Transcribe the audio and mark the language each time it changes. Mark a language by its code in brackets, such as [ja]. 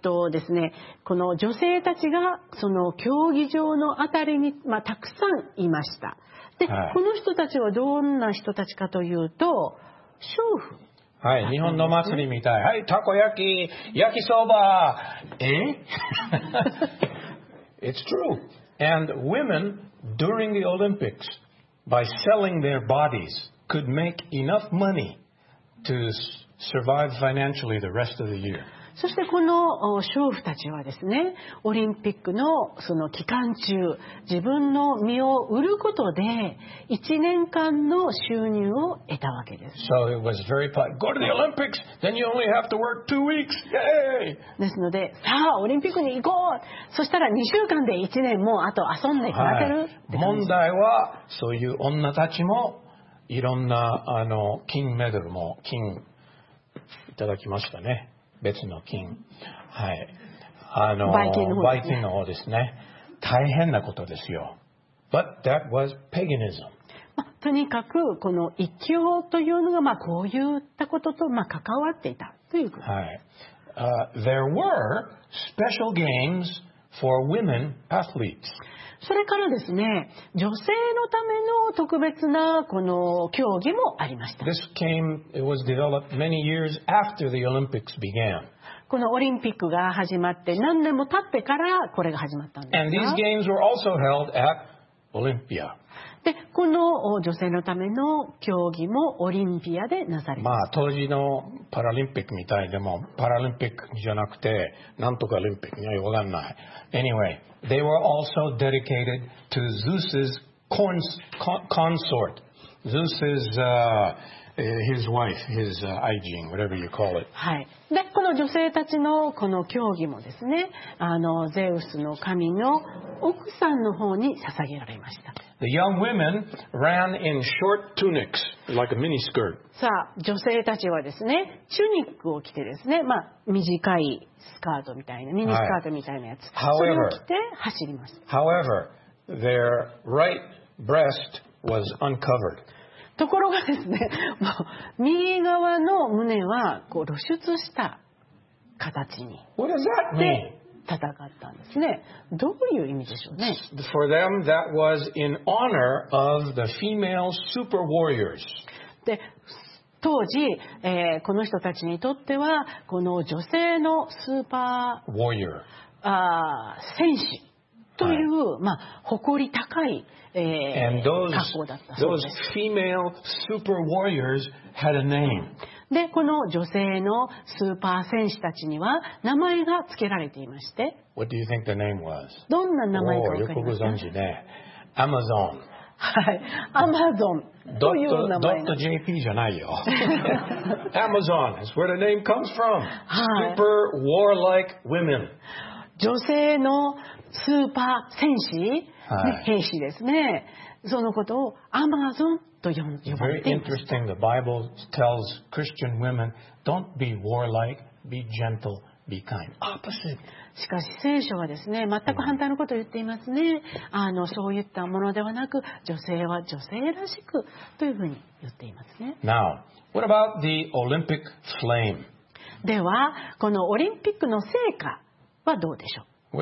[ja] ですね、この女性たちがその競技場のあたりに、まあ、たくさんいました。で、はい、この人たちはどんな人たちかというと娼婦。はい、日本の祭りみたい。はい、たこ焼き、焼きそば。え？ [en] It's true. And women during the Olympics, by selling their bodies, could make enough money to survive financially the rest of the year. [ja] そしてこの娼婦たちはですね、オリンピックのその期間中、自分の身を売ることで1年間の収入を得たわけです。 [en] So it was very popular. Go to the Olympics, then you only have to work 2 weeks. Yay! [ja] ですので、さあオリンピックに行こう。そしたら2週間で1年もうあと遊んで暮らせる。問題はそういう女たちもいろんな金メダルも金いただきましたね。別の金、はい、売金の方ですね。大変なことですよ。 [en] But that was paganism. [ja] まあ、とにかくこの異教というのが、まあ、こういったことと、まあ、関わっていたということ、 [en] はい、there were special games for women athletes. [ja] それからですね、女性のための特別なこの競技もありました。 [en] This came, it was developed many years after the Olympics began. [ja] このオリンピックが始まって何年も経ってからこれが始まったんですが。 [en] And these games were also held at Olympia. [ja] で、この女性のための競技もオリンピアでなされました。まあ、当時のパラリンピックみたいでもパラリンピックじゃなくてなんとかオリンピックには分かんない。 [en] Anyway, they were also dedicated to Zeus's consort. Zeus's his wife, his aegean, whatever you call it. [ja] はい。で、この女性たちのこの競技もですね、ゼウスの神の奥さんの方に捧げられました。 [en] The young women ran in short tunics, like a mini skirt. [ja] さあ、女性たちはですね、チュニックを着てですね、まあ、短いスカートみたいな、ミニスカートみたいなやつ、はい、それを着て走ります。 [en] However, their right breast was uncovered. [ja] ところがですね、右側の胸はこう露出した形に [en] What does that mean? [ja] で戦ったんですね。どういう意味でしょうね。 [en] For them, that was in honor of the female super warriors. [ja] で当時、この人たちにとってはこの女性のスーパー [en] Warrior. [ja] 戦士という、はい、まあ、誇り高い、格好だったそうです。 [en] Those female super warriors had a name. [ja] で、この女性のスーパー戦士たちには名前が付けられていまして。 [en] What do you think the name was? [ja] どんな名前か分かりますか？よくご存知ね。Amazon。はい。Amazon という名前。 [en] .jp [ja] じゃないよ。 [en] Amazon is where the name comes from. Super warlike women. [ja] 女性のスーパー戦士、はい、兵士ですね。そのことをアマゾンと呼ばれています [en] 。 Very interesting. The Bible tells Christian women, don't be warlike, be gentle, be kind. Opposite. [ja] しかし聖書はですね、全く反対のことを言っていますね。そういったものではなく、女性は女性らしくというふうに言っていますね。 [en] Now, what about the Olympic flame? [ja] では、このオリンピックの聖火はどうでしょう。